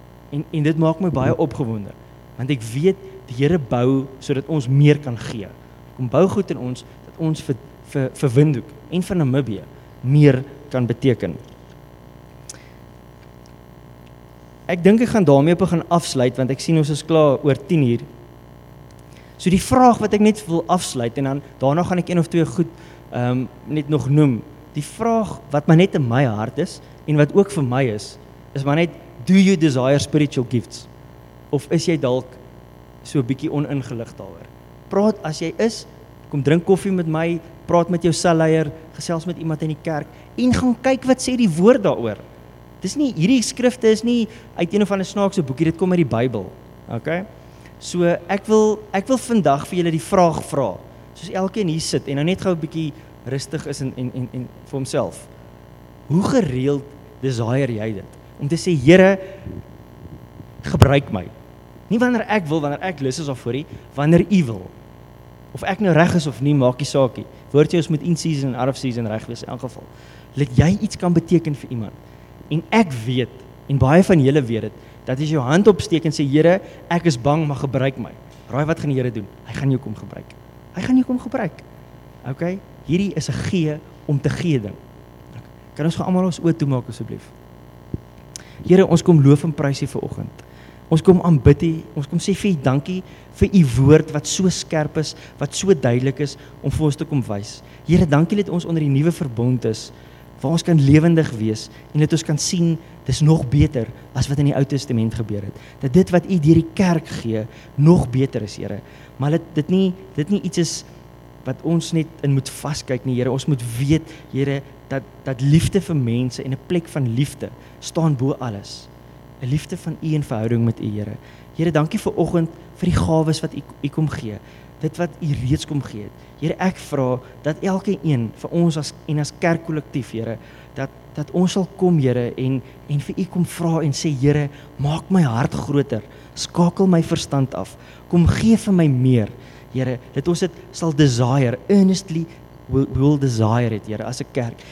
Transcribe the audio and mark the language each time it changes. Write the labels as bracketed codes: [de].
[af] En dit maak my baie opgewonde, want ek weet die Here bou sodat ons meer kan gee. Kom bou goed in ons dat ons vir Windhoek en vir Namibië meer kan beteken. Ek dink ek gaan daarmee begin afsluit, want ek sien ons is klaar oor 10 uur. So die vraag wat ek net wil afsluit, en dan daarna gaan ek een of twee goed net nog noem, die vraag wat maar net in my hart is, en wat ook vir my is, is maar net, [en] do you desire spiritual gifts? [af] Of is jy dalk so 'n bietjie oningelicht daaroor? Praat as jy is, kom drink koffie met my, praat met jou selleier, gesels met iemand in die kerk, en gaan kyk wat sê die woord daaroor. Dis nie, hierdie skrifte is nie uit een of ander snaakse boekie, dit kom uit die Bybel, ok? So ek wil vandag vir julle die vraag vra, soos elkeen hier sit en nou net gou 'n bietjie rustig is en vir homself. Hoe gereeld desire jy dit? Om te sê, Here, gebruik my. Nie wanneer ek wil, wanneer ek lus is of voorie, wanneer U wil. Of ek nou reg is of nie, maak nie saak nie. Woord jy ons moet in season en out of season reg wees in elk geval. Laat jy iets kan beteken vir iemand. En ek weet, en baie van julle weet dit, dat is jou hand opsteek en sê, Here, ek is bang, maar gebruik my. Raai wat gaan die Here doen? Hy gaan jou kom gebruik. Hy gaan jou kom gebruik. Ok, hierdie is 'n gee om te gee ding. Kan ons gaan allemaal ons oot toemaak, asseblief. Here, ons kom loof en prys hier vanoggend. Ons kom aanbid hier, ons kom sê vir jy dankie vir jy woord wat so skerp is, wat so duidelik is om vir ons te kom wys. Here, dankie dat ons onder die nuwe verbond is, waar ons kan lewendig wees en dat ons kan sien, dis nog beter as wat in die Ou Testament gebeur het. Dat dit wat U deur die kerk gee, nog beter is, Here. Maar dit nie iets is wat ons net in moet vaskyk nie, Here. Ons moet weet, Here, dat liefde vir mense en 'n plek van liefde staan bo alles. 'N liefde van U en verhouding met U, Here. Here, dankie vir oggend vir die gawes wat U kom gee. Dit wat U reeds kom gee het. Here, ek vra dat elke een vir ons as kerk kollektief, Here, dat ons sal kom, Here, en vir U kom vra en sê, Here, maak my hart groter, skakel my verstand af, kom gee vir my meer, Here, dat ons dit sal desire, earnestly will desire het, Here, as 'n kerk.